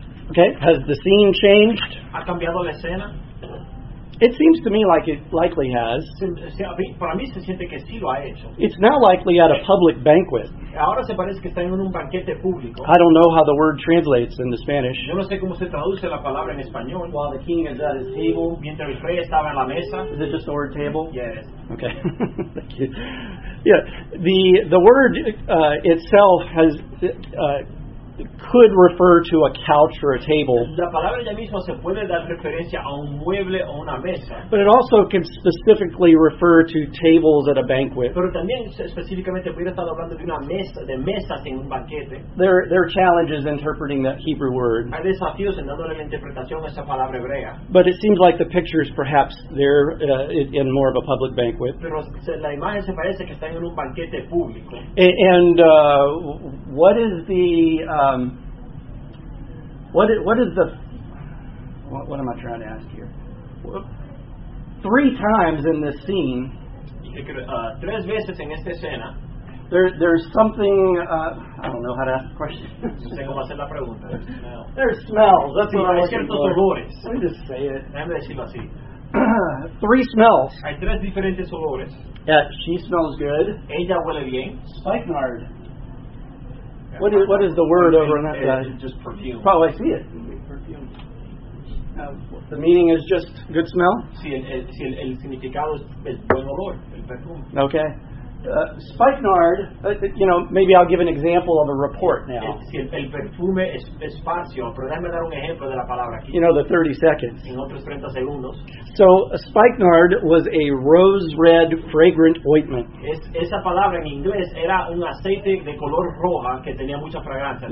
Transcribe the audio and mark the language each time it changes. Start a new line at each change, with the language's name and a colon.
English: Okay, has the scene changed?
Spanish: ¿Ha cambiado la escena?
English: It seems to me like it likely has.
Spanish: Para mí se siente que sí lo ha hecho.
English: It's now likely at a public banquet.
Spanish: Ahora se parece que está en un banquete público.
English: I don't know how the word translates in the Spanish.
Spanish: Yo no sé cómo se traduce la palabra en español.
English: While the king is at his table,
Spanish: mientras el rey estaba en la mesa.
English: Is it just the word table? Yes. Okay. Thank you. Yeah, the word itself has... could refer to a couch or a table.
Spanish: La palabra ya misma se puede dar referencia a un mueble o una mesa.
English: But it also can specifically refer to tables at a banquet.
Spanish: Pero también específicamente puede estar hablando de una mesa, de mesas en un banquete.
English: There are challenges interpreting that Hebrew word.
Spanish: Hay desafíos en dándole la interpretación a esa palabra hebrea.
English: But it seems like the picture is perhaps there in more of a public banquet.
Spanish: Pero la imagen se parece que está en un banquete público.
English: And what is the what am I trying to ask here? Three times in this scene, tres veces en esta escena, there's something, I don't know how to ask the question. There's smells, that's what I'm looking for. Let me just say it.
Spanish: Déjame decirlo así.
English: Three smells.
Spanish: Hay tres diferentes olores.
English: Yeah, she smells good.
Spanish: Ella huele bien.
English: Spikenard. What is the word over on that side? Just perfume. Probably see it. perfume. The meaning is just good smell?
Spanish: Sí, el significado es buen olor, el perfume.
English: Okay. Spikenard, you know, maybe I'll give an example of a report now.
Spanish: El perfume es fácil, pero déjame dar un ejemplo de la palabra aquí.
English: You know, the 30 seconds.
Spanish: En otros 30 segundos.
English: So, a spikenard was a rose-red fragrant ointment.
Spanish: Esa palabra en inglés era un aceite de color roja que tenía mucha fragancia.